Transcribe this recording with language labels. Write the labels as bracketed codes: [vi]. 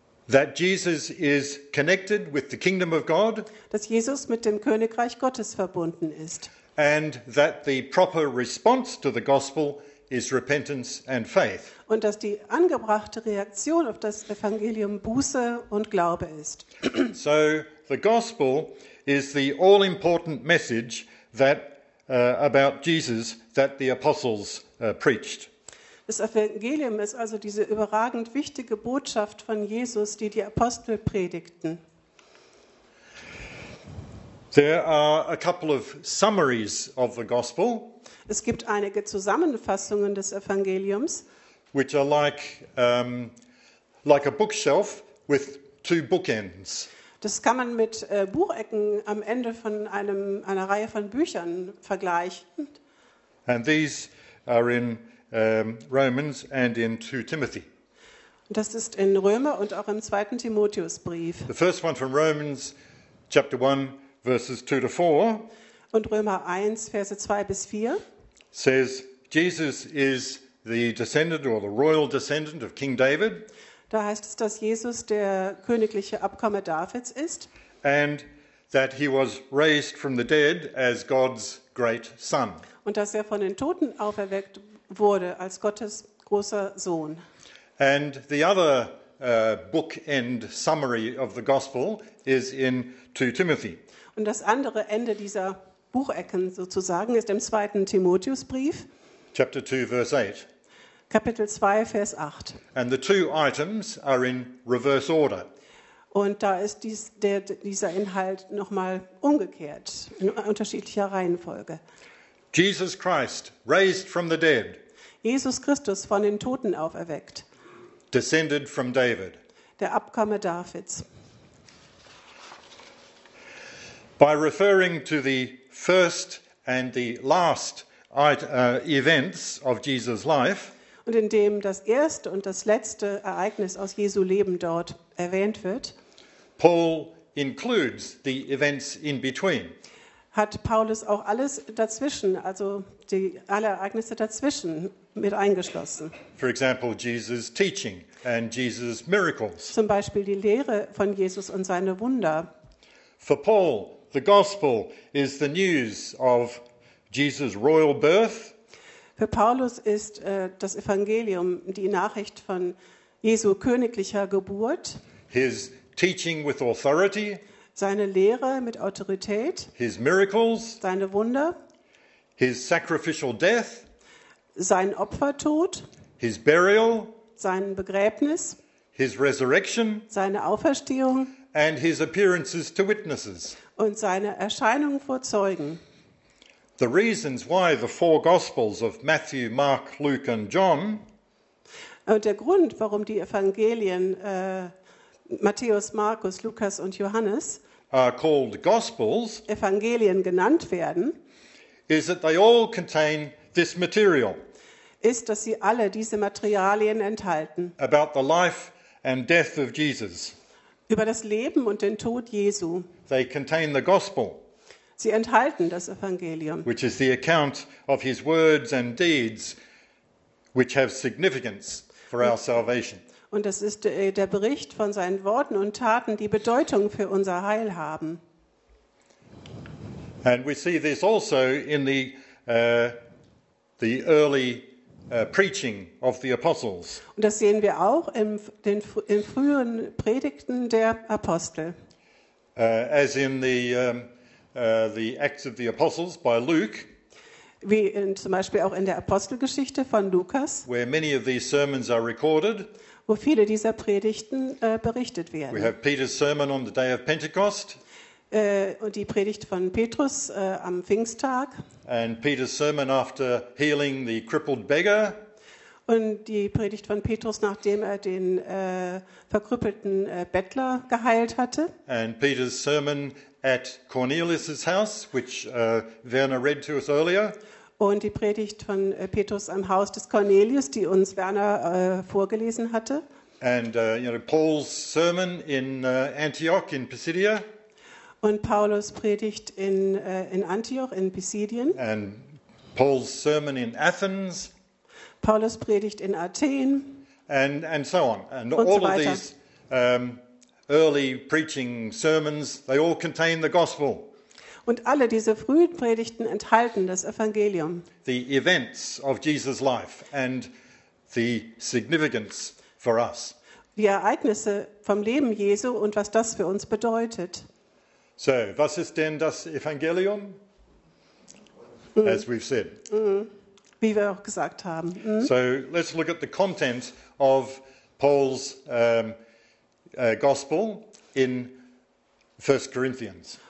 [en] That Jesus is connected with the kingdom of God. [de] Dass Jesus mit dem Königreich Gottes verbunden ist. [en] And that the proper response to the gospel is repentance and faith. [de] Und dass die angebrachte Reaktion auf das Evangelium Buße und Glaube ist. [en] So the gospel is the all important message that about Jesus that the apostles preached. [de] Das Evangelium ist also diese überragend wichtige Botschaft von Jesus, die die Apostel predigten. [en] There are a couple of summaries of the gospel. [de] Es gibt einige Zusammenfassungen des Evangeliums. [en] Which are like a bookshelf with two bookends. [de] Das kann man mit Buchecken am Ende von einer Reihe von Büchern vergleichen. [en] And these are in Romans and in 2 Timothy. [de] Das ist in Römer und auch im 2. Timotheusbrief. [en] The first one from Romans chapter 1 verses 2 to 4. [de] Und Römer 1 Verse 2 bis 4. [en] Says Jesus is the descendant or the royal descendant of King David. [de] Da heißt es, dass Jesus der königliche Abkomme Davids ist. [en] And that he was raised from the dead as God's great son. [de] Und dass er von den Toten auferweckt wurde als Gottes großer Sohn. [en] And the other bookend summary of the gospel is in 2 Timothy. [de] Und das andere Ende dieser Buchecken sozusagen ist im 2. Timotheusbrief. [en] Chapter 2 verse 8. [de] Kapitel 2 Vers 8. [en] And the two items are in reverse order. [de] Und da ist dieser Inhalt nochmal umgekehrt in unterschiedlicher Reihenfolge. [en] Jesus Christ raised from the dead. [de] Jesus Christus von den Toten auferweckt. [en] Descended from David. [de] Der Abkomme Davids. [en] By referring to the first and the last events of Jesus' life. [de] Und indem das erste und das letzte Ereignis aus Jesu Leben dort erwähnt wird. [en] Paul includes the events in between. [de] Hat Paulus auch alles dazwischen, also alle Ereignisse dazwischen mit eingeschlossen. [en] For example, Jesus' teaching and Jesus' miracles. [de] Zum Beispiel die Lehre von Jesus und seine Wunder. [en] For Paul, the gospel is the news of Jesus' royal birth. [de] Für Paulus ist das Evangelium die Nachricht von Jesu königlicher Geburt. [en] His teaching with authority. [de] Seine Lehre mit Autorität. [en] His miracles. [de] Seine Wunder. [en] His sacrificial death. [de] Sein Opfertod. [en] His burial. [de] Sein Begräbnis. [en] His resurrection. [de] Seine Auferstehung. [en] And his appearances to witnesses. [de] Und seine Erscheinung vor Zeugen. [en] The reasons why the four Gospels of Matthew, Mark, Luke and John. [de] Und der Grund, warum die Evangelien Matthäus, Markus, Lukas und Johannes [en] are called Gospels, [de] Evangelien genannt werden, [en] is that they all contain this material. [de] Ist, dass sie alle diese Materialien enthalten. [en] About the life and death of Jesus. [de] Über das Leben und den Tod Jesu. [en] They contain the gospel. [de] Sie enthalten das Evangelium. [en] Which is the account of his words and deeds which have significance for our salvation. [de] Und das ist der Bericht von seinen Worten und Taten, die Bedeutung für unser Heil haben. [en] And we see this also in the early preaching of the apostles. [de] Und das sehen wir auch in früheren Predigten der Apostel. [en] As in the Acts of the Apostles by Luke. [de] Wie in, zum Beispiel auch in der Apostelgeschichte von Lukas, [en] where many of these sermons are recorded, [de] wo viele dieser Predigten berichtet werden. [en] We have Peter's sermon on the day of Pentecost, [de] und die Predigt von Petrus am Pfingsttag, [en] and Peter's sermon after healing the crippled beggar, [de] und die Predigt von Petrus, nachdem er den verkrüppelten Bettler geheilt hatte, [en] and Peter's sermon at Cornelius's house, which Werner read to us earlier. [de] Und die Predigt von Petrus am Haus des Cornelius, die uns Werner vorgelesen hatte. [en] And Paul's sermon in Antioch in Pisidia. [de] Und Paulus Predigt in Antioch in Pisidien. [en] And Paul's sermon in Athens. [de] Paulus Predigt in Athen. [en] And so on. And [de] und [en] all [de] so weiter. [en] Of these early preaching sermons, they all contain the gospel. [de] Und alle diese frühen Predigten enthalten das Evangelium. [en] The events of Jesus' life and the significance for us. [de] Die Ereignisse vom Leben Jesu und was das für uns bedeutet. So, was ist denn das Evangelium? [en] As we've said. [de] Wie wir auch gesagt haben. [en] So, let's look at the content of Paul's Gospel in 1 Corinthians.